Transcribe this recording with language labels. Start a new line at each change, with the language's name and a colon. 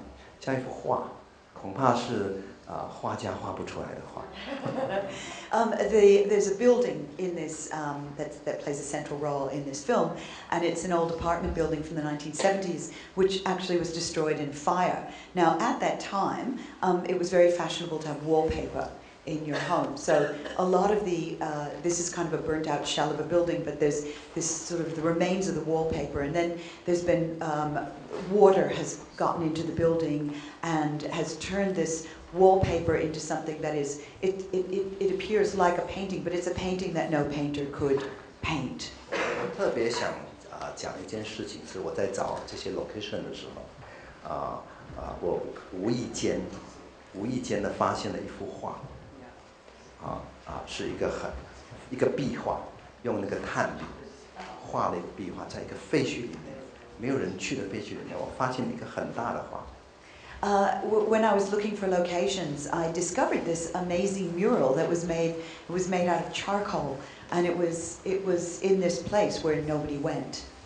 Chinese: 因为热带，当时喜欢用壁纸，比较有气派，用壁纸，所以那个壁纸的房子被烧过，跟一般的房子被烧过是不一样，加上时间，加上漏水之类，所以那些壁墙壁变得非常像一幅画，恐怕是。
English: There's a building in this that plays a central role in this film, and it's an old apartment building from the 1970s, which actually was destroyed in fire. Now, at that time, it was very fashionable to have wallpaper in your home. So a lot of the this is kind of a burnt out shell of a building, but there's this sort of the remains of the wallpaper, and then there's been water has gotten into the building and has turned this wallpaper into something that is, it appears like a painting, but it's a painting that no painter could paint.
Chinese: 我特别想讲一件事情，是我在找这些 location 的时候，我无意间的发现了一幅画，是一个壁画，用那个炭笔画了一个壁画，在一个废墟里面，没有人去的废墟里面，我发现了一个很大的画。
English: When I was looking for locations, I discovered this amazing mural that was made. It was made out of charcoal, and it was in this place where nobody went.